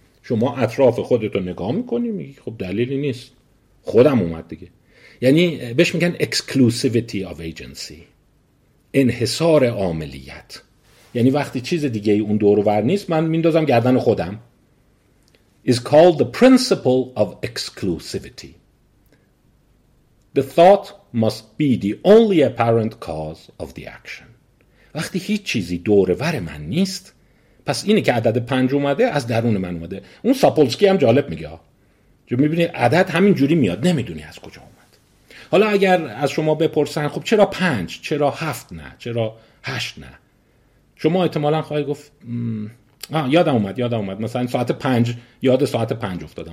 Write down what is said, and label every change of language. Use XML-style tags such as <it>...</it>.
<fa>شما اطراف خودتو نگاه میکنی میگی خب دلیلی نیست، خودم اومد دیگه. یعنی بهش میگن</fa> <en>exclusivity of agency،</en> <fa>انحصار عاملیت. یعنی وقتی چیز دیگه ای اون دور و ور نیست من میندازم گردن خودم.</fa> <en>is called the principle of exclusivity. the thought must be the only apparent cause of the action.</en> <fa>وقتی هیچ چیزی دور ور من نیست، پس اینی که عدد 5 اومده از درون من اومده. اون ساپولسکی هم جالب میگه، چون میبینی عدد همین جوری میاد، نمیدونی از کجا اومد. حالا اگر از شما بپرسن خب چرا 5، چرا 7 نه، چرا 8 نه، شما احتمالاً خواهی گفت یادم اومد مثلا ساعت 5، یاد ساعت 5 افتادم.</fa>